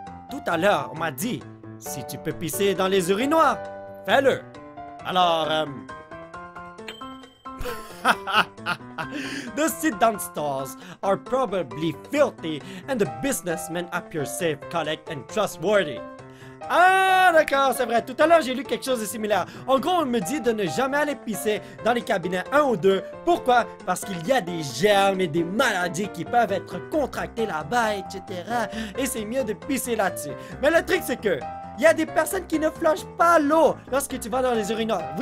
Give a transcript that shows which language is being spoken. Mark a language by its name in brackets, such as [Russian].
[French] Tout à l'heure, on m'a dit, si tu peux pisser dans les urinoirs, fais-le. [English] Alors, the sit-down stalls are probably filthy and the businessmen appear safe, correct and trustworthy. [French] Ah, d'accord, c'est vrai. Tout à l'heure, j'ai lu quelque chose de similaire. En gros, on me dit de ne jamais aller pisser dans les cabinets 1 ou 2. Pourquoi? Parce qu'il y a des germes et des maladies qui peuvent être contractées là-bas, etc. Et c'est mieux de pisser là-dessus. Mais le truc, c'est que il y a des personnes qui ne flushent pas l'eau lorsque tu vas dans les urinoirs.